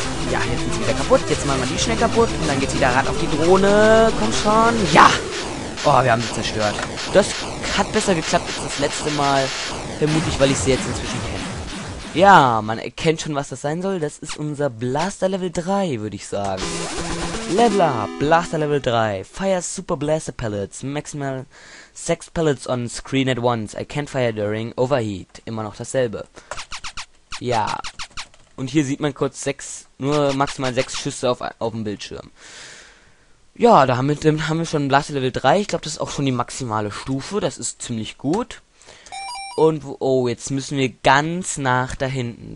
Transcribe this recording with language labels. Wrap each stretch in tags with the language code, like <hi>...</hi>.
<de>Ja, jetzt sind sie wieder kaputt. Jetzt machen wir die schnell kaputt und dann geht's wieder rad auf die Drohne. Komm schon. Ja! Oh, wir haben sie zerstört. Das hat besser geklappt als das letzte Mal. Vermutlich, weil ich sie jetzt inzwischen kenne. Ja, man erkennt schon, was das sein soll. Das ist unser Blaster Level 3, würde ich sagen.</de> <en>Level up, Blaster Level 3. Fire Super Blaster Pellets. Maximal 6 Pellets on screen at once. I can't fire during overheat.</en> <de>Immer noch dasselbe. Ja. Und hier sieht man kurz 6, nur maximal 6 Schüsse auf dem Bildschirm. Ja, damit haben wir schon Blaster Level 3. Ich glaube, das ist auch schon die maximale Stufe. Das ist ziemlich gut. Und, oh, jetzt müssen wir ganz nach da hinten.</de>